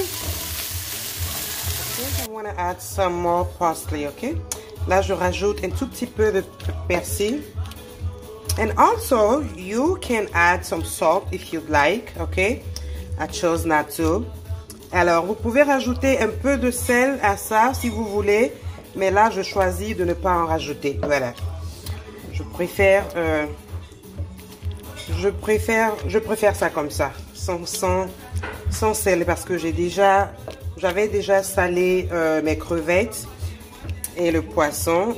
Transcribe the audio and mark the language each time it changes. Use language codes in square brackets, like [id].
[en] I think I want to add some more parsley, ok? [fr] Là, je rajoute un tout petit peu de persil. [en] And also, you can add some salt if you'd like, ok? I chose not to. [fr] Alors, vous pouvez rajouter un peu de sel à ça si vous voulez. Mais là, je choisis de ne pas en rajouter. Voilà. Je préfère ça comme ça, sans sel, parce que j'avais déjà salé mes crevettes et le poisson.